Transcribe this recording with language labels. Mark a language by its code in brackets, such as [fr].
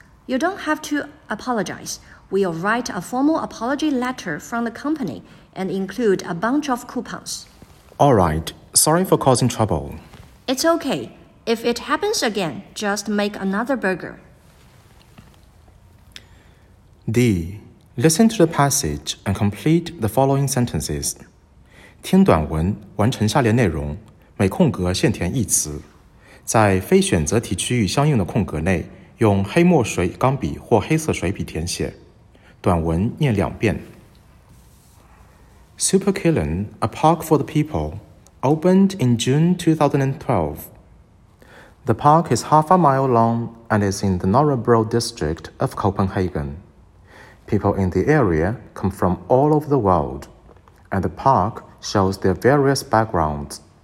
[en] You don't have to apologize. We'll write a formal apology letter from the company and include a bunch of coupons. All right. Sorry for causing trouble. It's okay. If it happens again, just make another burger. D. Listen to the passage and complete the following sentences. [zh] 听短文，完成下列内容，每空格限填一词。在非选择题区域相应的空格内，用黑墨水钢笔或黑色水笔填写。短文念两遍。 [en] Super Killen, a park for the people, opened in June 2012. The park is half a mile long and is in the Norrebro district of Copenhagen. People in the area come from all over the world, and the park shows their various backgrounds.